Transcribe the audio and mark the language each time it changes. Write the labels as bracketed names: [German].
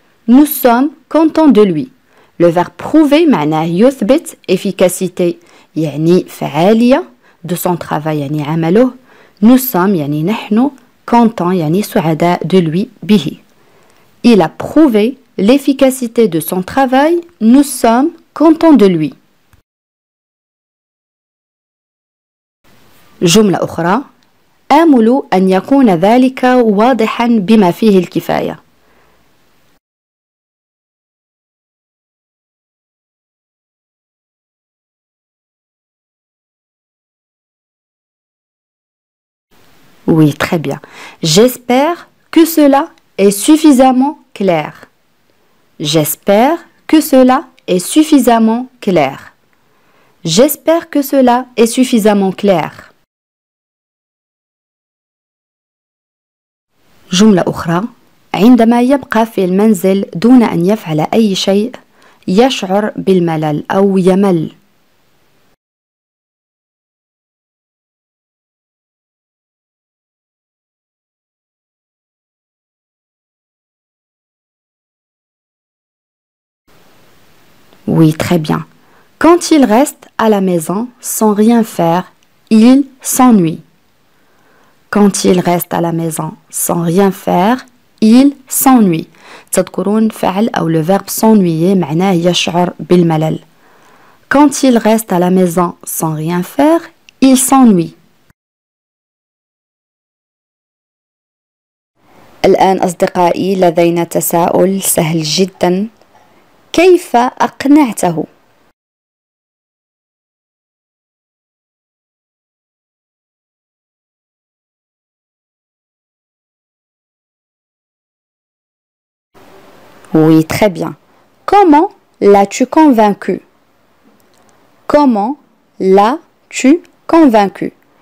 [French] Nous sommes contents de lui. Le verbe prouver [Arabic] معناه يثبت [French] efficacité [Arabic] يعني فعالية [French] de son travail [Arabic] يعني عمله. [French] Nous sommes [Arabic] يعني نحن [French] content [Arabic] يعني سعداء [French] de lui [Arabic] به. [French] Il a prouvé l'efficacité de son travail. Nous sommes contents de lui. [Arabic] جملة أخرى. آمل أن يكون ذلك واضحا بما فيه الكفاية. [French] Oui, très bien. J'espère que cela est suffisamment clair. J'espère que cela est suffisamment clair. J'espère que cela est suffisamment clair. [Arabic] جملة أخرى، عندما يبقى في المنزل دون أن يفعل أي شيء يشعر بالملل أو يمل. [French] Oui, très bien. Quand il reste à la maison sans rien faire, il s'ennuie. Quand il reste à la maison sans rien faire, il s'ennuie. [Arabic] تذكرون فعل أو [French] le verbe s'ennuyer [Arabic] معناه يشعر بالملل. [French] Quand il reste à la maison sans rien faire, il s'ennuie. [Arabic] الآن أصدقائي لدينا تساؤل سهل جدا. كيف أقنعته؟ [French] Oui, très bien. Comment l'as-tu convaincu? Comment l'as-tu convaincu?